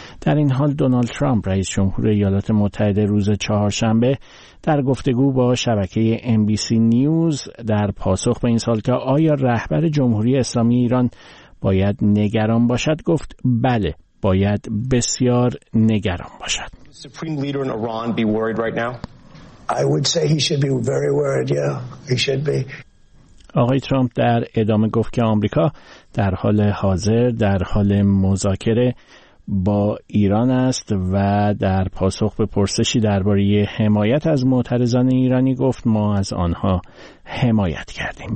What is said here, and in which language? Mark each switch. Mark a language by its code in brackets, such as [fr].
[fa] در این حال دونالد ترامپ رئیس جمهور ایالات متحده روز چهارشنبه در گفتگو با شبکه NBC نیوز در پاسخ به این سوال که آیا رهبر جمهوری اسلامی ایران باید نگران باشد، گفت بله، باید بسیار نگران باشد. [en] Supreme leader in Iran be worried right now? I would say he should be very worried. Yeah, he should be. [fa] آقای ترامپ در ادامه گفت که آمریکا در حال حاضر در حال مذاکره با ایران است و در پاسخ به پرسشی درباره حمایت از معترضان ایرانی گفت ما از آنها حمایت کردیم.